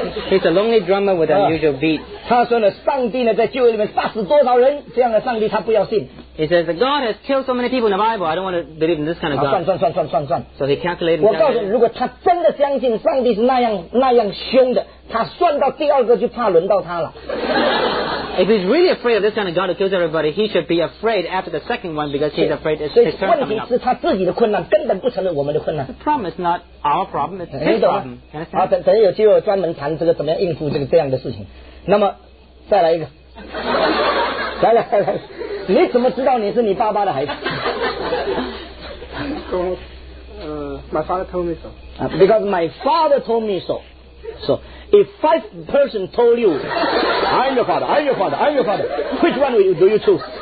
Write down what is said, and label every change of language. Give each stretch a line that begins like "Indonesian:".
English: He's a lonely drummer with unusual beat.
Chinese: 他说呢，上帝呢在旧约里面杀死多少人，这样的上帝他不要信。
English: He says that God has killed so many people in the Bible. I don't want to believe in this kind of God.
Chinese: 算算算算算。
English: So he calculated.
Chinese: 我告诉你，如果他真的相信上帝是那样那样凶的，他算到第二个就怕轮到他了。
English: If he's really afraid of this kind of God who kills everybody, he should be afraid after the second one because he's afraid it's his turn coming up.
Chinese: 所以问题是他自己的困难根本不承认我们的困难。
English: The problem is not our problem, it's his problem.
Chinese: 好，等等有机会专门谈这个怎么样应付这个这样的事情。那么再来一个。来来来。你怎么知道你是你爸爸的孩子？
English: My father told me so. Because my father told me so. So, if five person told you, I'm your father, I'm your father, I'm your father, which one do you choose?